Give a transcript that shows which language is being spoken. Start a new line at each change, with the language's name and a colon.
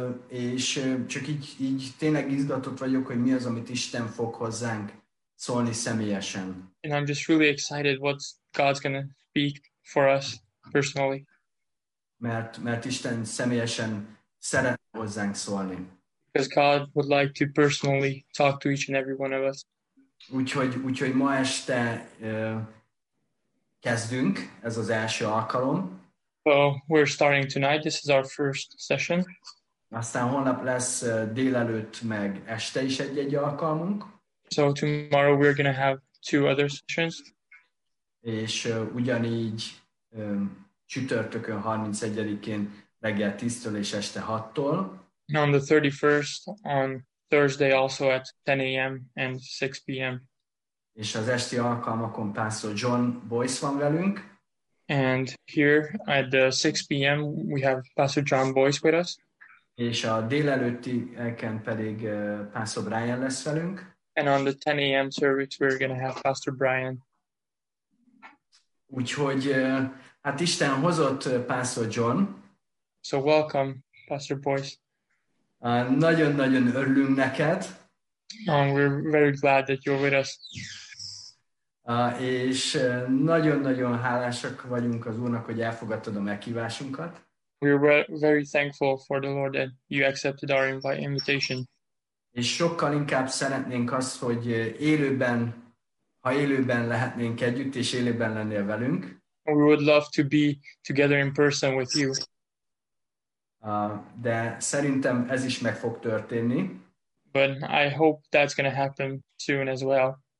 Hungarian: És csak így tényleg izgatott vagyok, hogy mi az, amit Isten fog hozzánk szólni személyesen.
English: And I'm just really excited what God's going to speak for us personally.
Hungarian: Mert Isten személyesen szeret hozzánk szólni.
English: Because God would like to personally talk to each and every one of us.
Hungarian: Úgyhogy ma este kezdünk, ez az első alkalom.
English: So we're starting tonight, this is our first session.
Hungarian: Aztán holnap lesz délelőtt meg este is egy-egy alkalmunk.
English: So tomorrow we're going to have two other sessions.
Hungarian: És ugyanígy csütörtökön 31-én reggel 10-től és este 6-tól.
English: And on the 31st, on Thursday also at 10 a.m. and 6 p.m.
Hungarian: És az esti alkalmakon Pastor John Boyce van velünk.
English: And here at the 6 p.m. we have Pastor John Boyce with us.
Hungarian: És a délelőttieken pedig Pastor Brian lesz velünk.
English: And on the 10 a.m. service we're going to have Pastor Brian.
Hungarian: Úgyhogy hát Isten hozott Pastor John.
English: So welcome, Pastor Boyce.
Hungarian: Nagyon-nagyon örülünk neked.
English: We're very glad that you're with us.
Hungarian: És nagyon-nagyon hálásak vagyunk az Úrnak, hogy elfogadtad a meghívásunkat.
English: We're very thankful for the Lord that you accepted our invitation.
Hungarian: És sokkal inkább szeretnénk azt, hogy élőben, ha élőben lehetnénk együtt, és élőben lennél velünk.
English: We would love to be together in person with you.
Hungarian: De szerintem ez is meg fog történni.
English: But I hope that's going to happen soon as well.